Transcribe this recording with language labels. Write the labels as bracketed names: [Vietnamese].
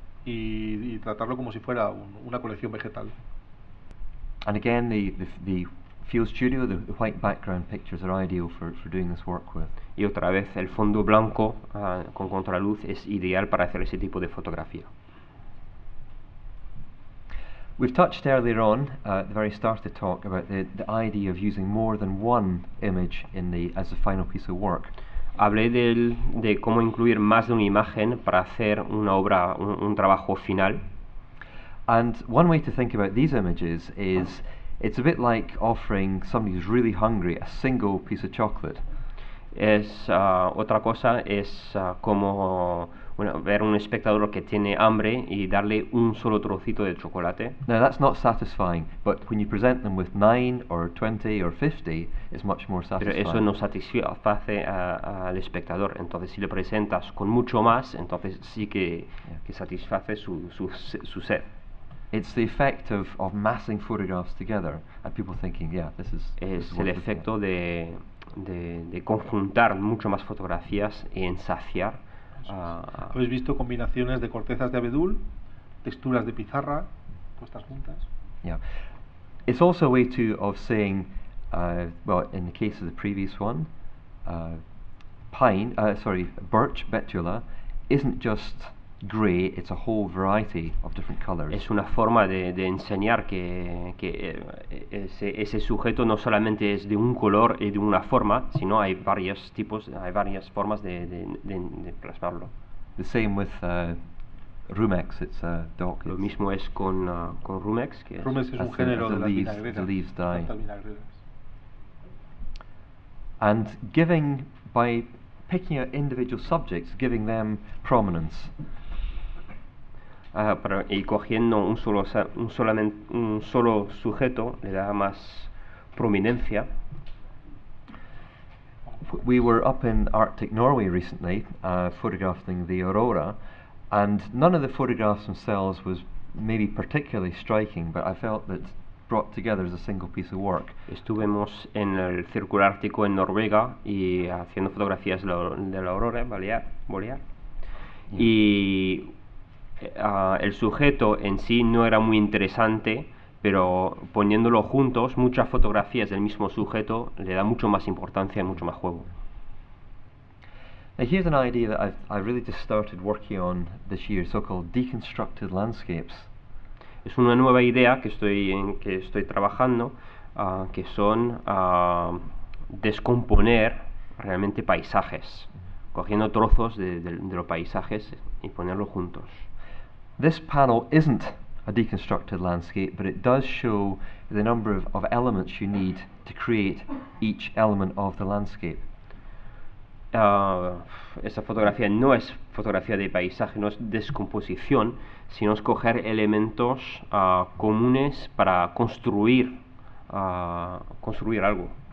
[Spanish] y tratarlo como si fuera una colección vegetal. [English] And again, the field studio, the white background pictures are ideal for doing this work with. [Spanish] Y otra vez, el fondo blanco con contraluz es ideal para hacer ese tipo de fotografía. [English] We've touched earlier on, at the very start of the talk, about the idea of using more than one image in the as the final piece of work. [Spanish] Hablé de cómo incluir más de una imagen para hacer una obra, un trabajo final. [English] And one way to think about these images is it's a bit like offering somebody who's really hungry a single piece of chocolate. [Spanish] Es otra cosa, es como bueno, ver un espectador que tiene hambre y darle un solo trocito de chocolate. [English] Now that's not satisfying, but when you present them with 9 or 20 or 50, it's much more satisfying. [Spanish] Pero eso no satisface al espectador. Entonces, si le presentas con mucho más, entonces sí que, yeah, que satisface su sed. [English] It's the effect of massing photographs together and people thinking, yeah, this is. [Spanish] Es el efecto de conjuntar mucho más fotografías y ensaciar. ¿Habéis visto combinaciones de cortezas de abedul, texturas de pizarra puestas juntas? [English] Yeah. It's also a way to of saying, well, in the case of the previous one, birch betula isn't just gray, it's a whole variety of different colors. [Spanish] Es una forma de enseñar que ese sujeto no solamente es de un color y de una forma, sino hay varios tipos, hay varias formas de plasmarlo. [English] The same with rumex, it's a dock. [Spanish] Lo mismo es con rumex, que rumex es un género de las vinagreras. [English] The leaves die. And giving by picking out individual subjects, giving them prominence. [Spanish] Y cogiendo un solo sujeto le da más prominencia. [English] We were up in Arctic Norway recently, photographing the aurora, and none of the photographs themselves was maybe particularly striking, but I felt that brought together as a single piece of work. [Spanish] Estuvimos en el círculo ártico en Noruega y haciendo fotografías de la aurora boreal. Yeah. Y el sujeto en sí no era muy interesante, pero poniéndolo juntos, muchas fotografías del mismo sujeto le da mucho más importancia y mucho más juego. [English] Now here's an idea that I really just started working on this year, so-called deconstructed landscapes. [Spanish] Es una nueva idea que estoy trabajando, que son descomponer realmente paisajes, cogiendo trozos de los paisajes y ponerlos juntos. [English] This panel isn't a deconstructed landscape, but it does show the number of elements you need to create each element of the landscape. [Spanish] Esa fotografía no es fotografía de paisaje, no es descomposición, sino escoger elementos comunes para construir algo.